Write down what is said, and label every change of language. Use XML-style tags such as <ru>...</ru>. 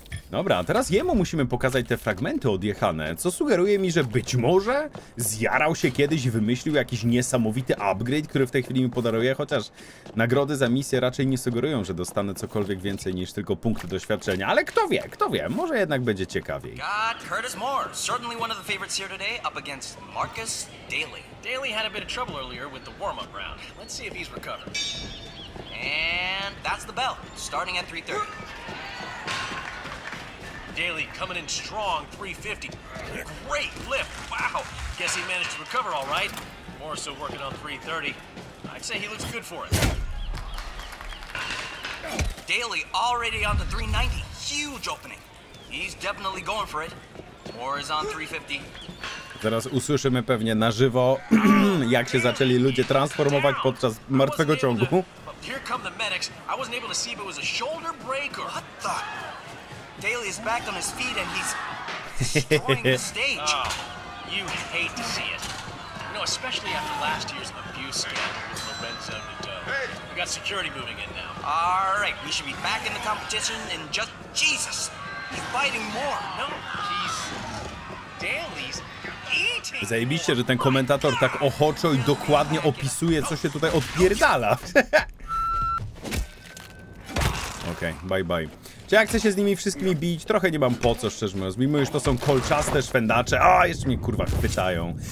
<pl>Dobra, teraz jemu musimy pokazać te fragmenty odjechane, co sugeruje mi, że być może zjarał się kiedyś i wymyślił jakiś niesamowity upgrade, który w tej chwili mi podaruje, chociaż nagrody za misję raczej nie sugerują, że dostanę cokolwiek więcej niż tylko punkty doświadczenia, ale kto wie, może jednak będzie ciekawiej.</pl> <en>Got Curtis Moore, certainly one of the favorites here today, up against Marcus Daly. Daly had a bit of trouble earlier with the warm-up round. Let's see if he's recovered. And that's the bell, starting at 3:30. Daly coming in strong, 350. Great lift. Wow. Guess he managed to recover all right. More so working on 330. I'd say he looks good for it. Daly already on the 390. Huge opening. He's definitely going for it. More is on 350.</en> <pl>Teraz usłyszymy pewnie na żywo, jak się zaczęli ludzie transformować podczas martwego ciągu.</pl> <en>Here come the medics. I wasn't able to see if it was a shoulder break or what the. Daly is back on his feet and he's destroying the stage. Oh, you hate to see it. You know, especially after last year's abuse scandal with Lorenzo Nadeau. We got security moving in now. All right, we should be back in the competition and just Jesus, he's fighting more. No, he's Daly's.</en> <pl>Zajebiście, że ten komentator tak ochoczo i dokładnie opisuje, co się tutaj odpierdala. Okej, okay, bye bye. Czy ja chcę się z nimi wszystkimi bić? Trochę nie mam po co, szczerze mówiąc. Mimo już to są kolczaste szwendacze. A, jeszcze mnie kurwa chwytają.</pl>